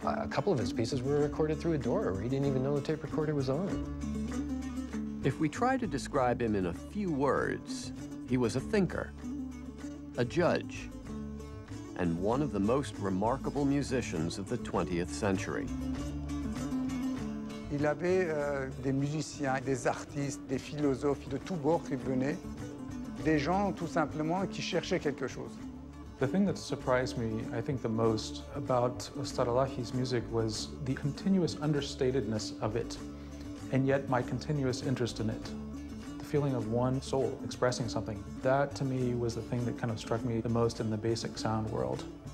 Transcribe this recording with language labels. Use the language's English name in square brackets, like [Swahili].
[English] A couple of his pieces were recorded through a door where he didn't even know the tape recorder was on. If we try to describe him in a few words, he was a thinker, a judge, and one of the most remarkable musicians of the 20th century. [French] Il avait des musiciens, des artistes, des philosophes de tous bords qui venaient, des gens tout simplement qui cherchaient quelque chose. [English] The thing that surprised me, I think, the most about Ostad Elahi's music was the continuous understatedness of it, and yet my continuous interest in it. The feeling of one soul expressing something. That, to me, was the thing that kind of struck me the most in the basic sound world.